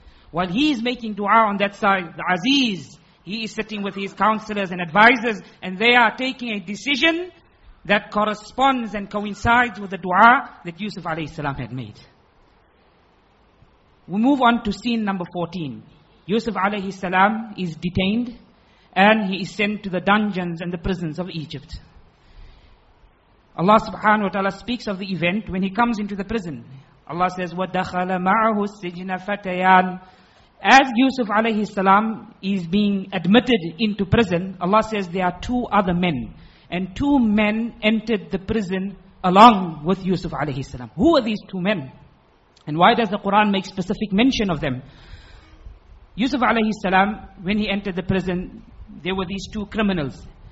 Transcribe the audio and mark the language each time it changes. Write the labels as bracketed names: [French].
[English] While he is making dua on that side, the Aziz, he is sitting with his counselors and advisors, and they are taking a decision that corresponds and coincides with the dua that Yusuf alayhi salam had made. We move on to scene number 14. Yusuf alayhi salam is detained, and he is sent to the dungeons and the prisons of Egypt. Allah subhanahu wa ta'ala speaks of the event when he comes into the prison. Allah says, [Arabic] وَدَخَلَ مَعَهُ السِّجْنَ فَتَيَانَ. [English] As Yusuf alayhi salam is being admitted into prison, Allah says there are two other men. And two men entered the prison along with Yusuf alayhi salam. Who are these two men? And why does the Quran make specific mention of them? Yusuf alayhi salam, when he entered the prison, there were these two criminals.